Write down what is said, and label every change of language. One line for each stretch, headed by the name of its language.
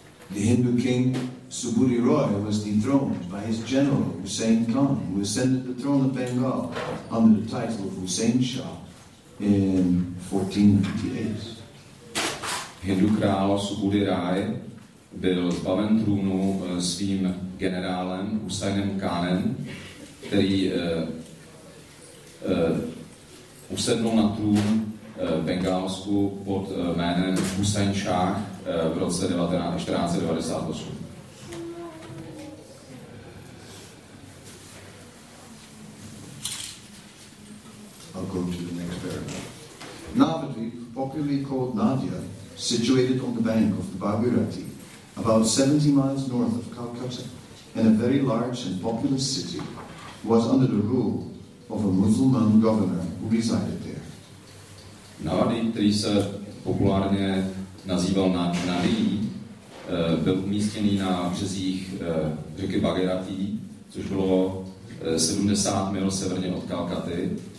English: The Hindu king Subhuti Roy was dethroned by his general Hussein Khan, who ascended the throne of Bengal under the title of Hussein Shah in 1498.
Czech: Hindu král Subhuti Roy byl zbaven trůnu svým generálem Husseinem Khanem, který usedl na trůn v Bengálsku pod jménem Hussein Shah v roce 1498.
English: I'll go to the next paragraph. Navadvip, popularly called Nadia, situated on the bank of the Bhagirathi, about 70 miles north of Calcutta, in a very large and populous city, was under the rule of a Muslim governor who resided there.
Czech: Navadvip, který se populárně nazýval Nadi, byl umístěný na březích řeky Bhagirathi, což bylo 70 mil severně od Calcutty.